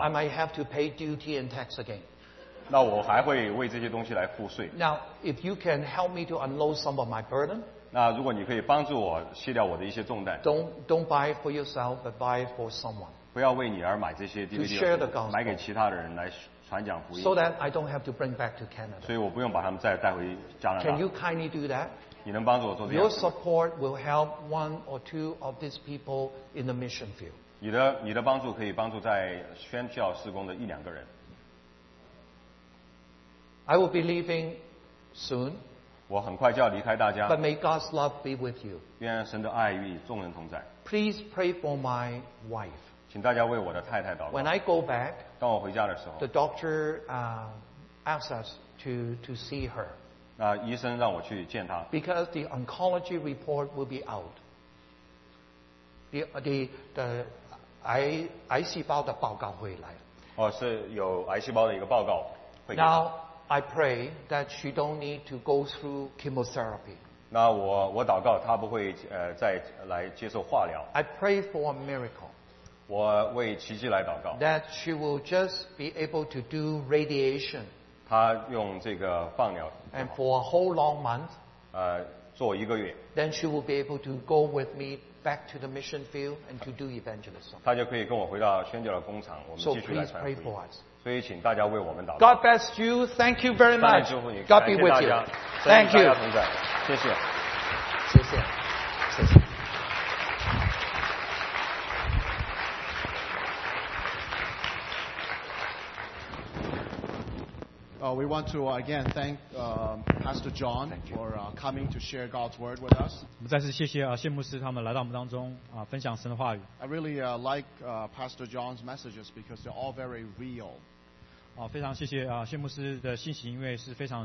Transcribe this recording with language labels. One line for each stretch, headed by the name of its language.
English: I might have to pay duty and tax again.
Chinese: 那我还会为这些东西来付税。
English: Now if you can help me to unload some of my burden.
Chinese: 那如果你可以帮助我卸掉我的一些重担
English: don't buy it for yourself but buy it for someone
Chinese: 不要为你而买这些 DVD
English: to share the gospel
Chinese: 买给其他的人来传讲福音
English: so that I don't have to bring back to Canada
Chinese: 所以我不用把他们再带回加拿大
English: can you kindly do that
Chinese: 你能帮助我做这样
English: your support will help one or two of these people in the mission field
Chinese: 你的帮助可以帮助在宣教事工的一两个人
English: I will be leaving soon
Chinese: 我很快就要离开大家。
English: But may God's love be with you.
Chinese: 愿神的爱与众人同在。
English: Please pray for my wife.
Chinese: 请大家为我的太太祷告。
English: When I go back,
Chinese: 当我回家的时候
English: the doctor asked us to see her.
Chinese: 那医生让我去见她。
English: Because the oncology report will be out. The
Chinese: 癌细胞的报告会来。哦，是有癌细胞的一个报告会。
English: Now,I pray that she don't need to go through chemotherapy.
Chinese: 那我祷告她不会再来接受化疗。
English: I pray for a miracle.
Chinese: 我为奇迹来祷告。
English: That she will just be able to do radiation.
Chinese: 她用这个放疗。
English: And for a whole long month.
Chinese: 做一个月。
English: Then she will be able to go with me back to the mission field and to do evangelism.
Chinese: 她就可以跟我回到宣教的工厂，我们继续来传福音。
English: So please pray for us.
Chinese: 所以请大家为我们祷告。
English: God bless you. Thank you very much. God be with you. Thank you.
Chinese: 谢谢。谢谢。谢谢。
English: We want to again thank Pastor John for coming to share God's word with us.
Chinese: 我们再次谢谢谢牧师他们来到我们当中分享神的话语。
English: I really like Pastor John's messages because they're all very real.
Chinese: 非常谢谢谢牧师的信息，因为是非常。